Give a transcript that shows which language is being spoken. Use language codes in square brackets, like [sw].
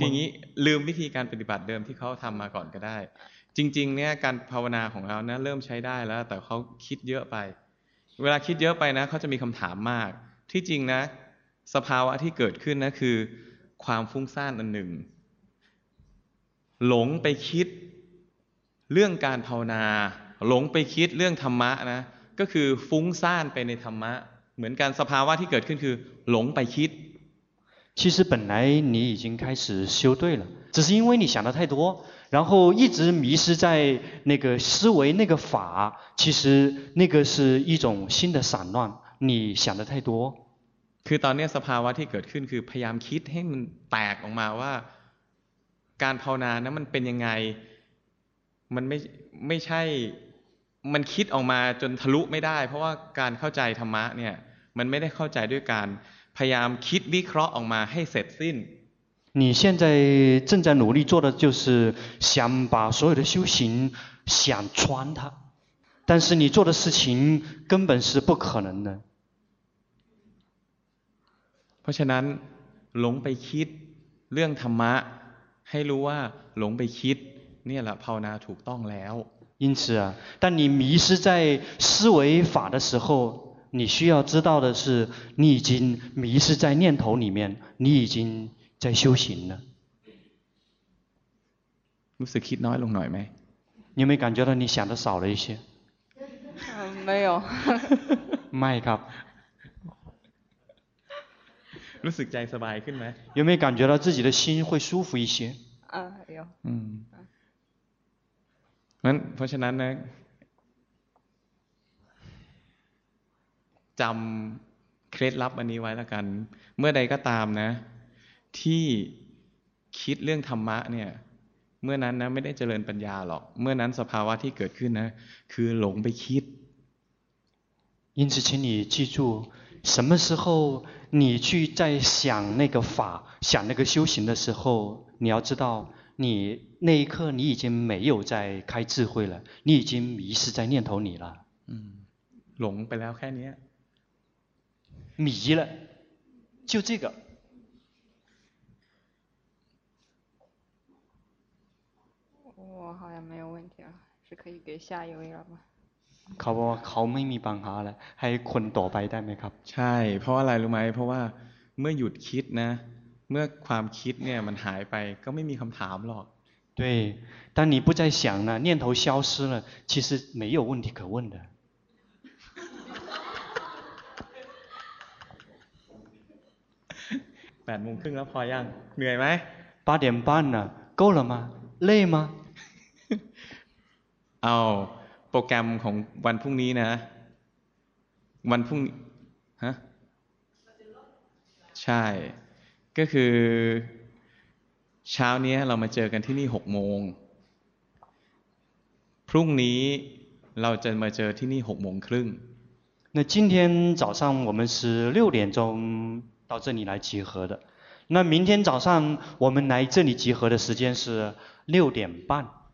[th] ทีนี้ลืมวิธีการปฏิบัติเดิมที่เขาทำมาก่อนก็ได้จริงๆเนี่ยการภาวนาของเรานะเริ่มใช้ได้แล้วแต่เขาคิดเยอะไปเวลาคิดเยอะไปนะเขาจะมีคำถามมากที่จริงนะสภาวะที่เกิดขึ้นนะคือความฟุ้งซ่านอันหนึ่งหลงไปคิดเรื่องการภาวนาหลงไปคิดเรื่องธรรมะนะก็คือฟุ้งซ่านไปในธรรมะเหมือนกันสภาวะที่เกิดขึ้นคือหลงไปคิด [zh] 其实本来你已经开始修对了只是因为你想的太多然后一直迷失在那个思维那个法其实那个是一种心的散乱你想的太多 [th] คือตอนนี้สภาวะที่เกิดขึ้นคือพยายามคิดให้มันแตกออกมาว่าการภาวนานะมันเป็นยังไงมันไม่ใช่มันคิดออกมาจนทะลุไม่ได้เพราะว่าการเข้าใจธรรมะเนี่ยมันไม่ได้เข้าใจด้วยการพยายามคิดวิเคราะห์ออกมาให้เสร็จสิ้น [zh] 你现在正在努力做的就是想把所有的修行想穿它但是你做的事情根本是不可能的 [th] เพราะฉะนั้นหลงไปคิดเรื่องธรรมะให้รู้ว่าหลงไปคิดเนี่ยแหละภาวนาถูกต้องแล้ว [zh] 因此啊当你迷失在思维法的时候你需要知道的是你已经迷失在念头里面你已经在修行了 [th] รู้สึกคิดน้อยลงหน่อยไหม [zh] 你有没有感觉到你想的少了一些没有 [th] ไม่ครับ รู้สึกใจสบายขึ้นไหม [zh] 有没有感觉到自己的心会舒服一些有 [th] นั้นเพราะฉะนั้นนะจำเคล็ดลับอันนี้ไว้แล้วกันเมื่อใดก็ตามนะที่คิดเรื่องธรรมะเนี่ยเมื่อนั้นนะไม่ได้เจริญปัญญาหรอกเมื่อนั้นสภาวะที่เกิดขึ้นนะคือหลงไปคิด [zh] 因此请你记住什么时候你去在想那个法想那个修行的时候你要知道你那一刻你已经没有在开智慧了你已经迷失在念头里了嗯，龙本来要看你迷了就这个我好像没有问题了是可以给下一位了吗 [th] เขาบอกว่าเขาไม่มีปัญหาแล้วให้คนต่อไปได้ไหมครับ ใช่เพราะอะไรรู้ไหมเพราะว่าเมื่อหยุดคิดนะเมื่อความคิดเนี่ยมันหายไปก็ไม่มีคำถามหรอก [zh] 对当你不再想了念头消失了其实没有问题可问的 [th] แปดโมงครึ่งแล้วพอยังเหนื่อยไหม [zh] 八点半了，够了吗？累吗？ [th] เอาโปรแกรมของวันพรุ่งนี้นะวันพรุ่งฮะใช่ก็คือเช้านี้เรามาเจอกันที่นี่หกโมงพรุ่งนี้เราจะมาเจอที่นี่หกโมงครึ่ง [zh] 那今天早上我们是六点钟到这里来集合的那明天早上我们来这里集合的时间是六点半